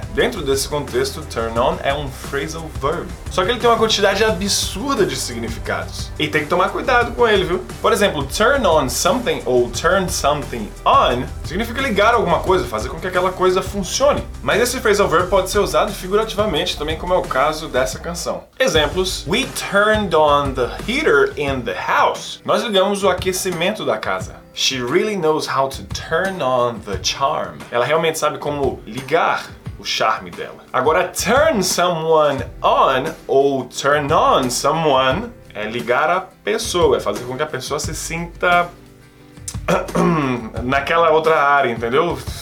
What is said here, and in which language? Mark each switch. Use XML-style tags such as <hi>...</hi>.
<pt>Dentro desse contexto, turn on é um phrasal verb. Só que ele tem uma quantidade absurda de significados. E tem que tomar cuidado com ele, viu? Por exemplo, turn on something ou turn something on significa ligar alguma coisa, fazer com que aquela coisa funcione. Mas esse phrasal verb pode ser usado figurativamente também, como é o caso dessa canção.</pt> <en>Exemplos: we turned on the heater in the house.</en> <pt>Nós ligamos o aquecimento da casa.</pt> <en>She really knows how to turn on the charm.</en> <pt>Ela realmente sabe como ligar o charme dela. Agora, turn someone on ou turn on someone é ligar a pessoa, é fazer com que a pessoa se sinta naquela outra área, entendeu?</pt>